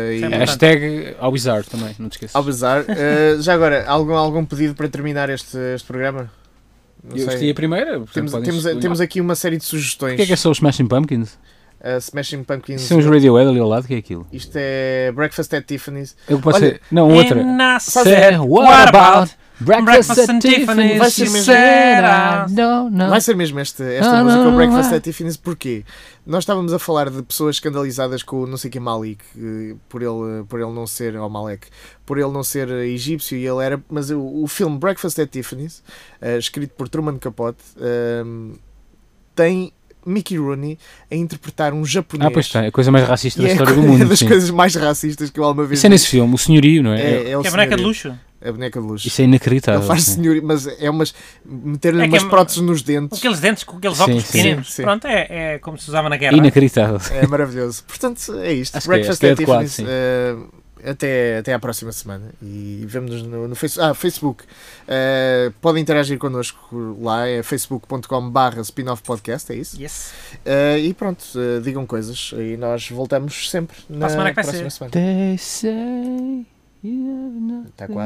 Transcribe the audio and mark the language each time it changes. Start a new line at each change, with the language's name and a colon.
Portuguese: Hashtag ao bizarro também, não te esqueças. Ao bizarro. Já agora, algum pedido para terminar este programa? Eu gostei a primeira. Temos aqui uma série de sugestões. O que é são os Smashing Pumpkins? Smashing Pumpkins. Isso é uns Radiohead ali ao lado, o que é aquilo? Isto é Breakfast at Tiffany's. Eu posso dizer. Não, outra.
English: What about Breakfast at Tiffany's?
Portuguese: Vai ser mesmo. Vai ser mesmo esta música, Breakfast at Tiffany's, porquê? Nós estávamos a falar de pessoas escandalizadas com o não sei quem Malik, por ele não ser egípcio, e ele era. Mas o filme Breakfast at Tiffany's, escrito por Truman Capote, tem Mickey Rooney a interpretar um japonês. Ah, pois está, é a coisa mais racista da história do mundo. É das coisas mais racistas que eu alguma vez vi. Isso é nesse filme, o senhorio, não é? É a boneca de luxo. A boneca de luxo. Isso é inacreditável. Ele faz senhorio, mas é umas. Meter-lhe umas próteses nos dentes. Aqueles dentes com aqueles óculos pequeninos. Pronto, é como se usava na guerra. Inacreditável. É maravilhoso. Portanto, é isto. Acho Breakfast at Tiffany's. Até à próxima semana e vemo-nos no Facebook. Facebook. Podem interagir connosco lá, é facebook.com/spinoffpodcast, é isso?
English: Yes.
Portuguese: E pronto, digam coisas e nós voltamos sempre na semana próxima ser. Semana.
English: They say you have nothing